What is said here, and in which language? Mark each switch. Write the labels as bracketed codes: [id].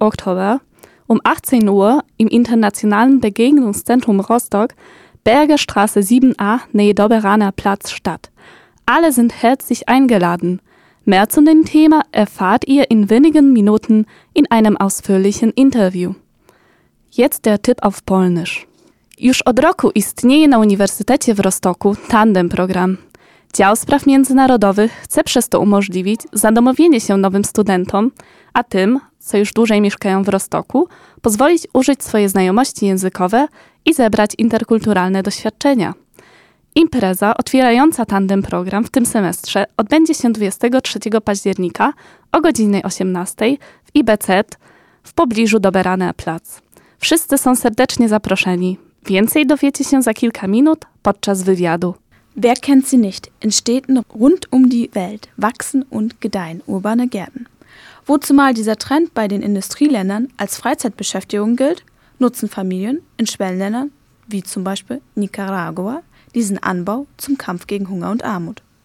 [de] Oktober um 18 Uhr im Internationalen Begegnungszentrum Rostock, Bergerstraße 7a, Nähe Doberaner Platz statt. Alle sind herzlich eingeladen. Mehr zu dem Thema erfahrt ihr in wenigen Minuten in einem ausführlichen Interview. Jetzt der Tipp auf Polnisch. [pl] Już od roku istnieje na Uniwersytecie w Rostocku Tandem Program. Dział Spraw Międzynarodowych chce przez to umożliwić zadomowienie się nowym studentom, a tym, co już dłużej mieszkają w Rostocku, pozwolić użyć swoje znajomości językowe i zebrać interkulturalne doświadczenia. Impreza otwierająca Tandem Program w tym semestrze odbędzie się 23 października o godzinie 18 w IBZ w pobliżu Doberaner Plac. Wszyscy są serdecznie zaproszeni. Więcej dowiecie się za kilka minut podczas wywiadu. [de] Wer kennt sie nicht? In Städten rund um die Welt wachsen und gedeihen urbane Gärten. Wo zumal dieser Trend bei den Industrieländern als Freizeitbeschäftigung gilt, nutzen Familien in Schwellenländern wie zum Beispiel Nicaragua diesen Anbau zum Kampf gegen Hunger und Armut.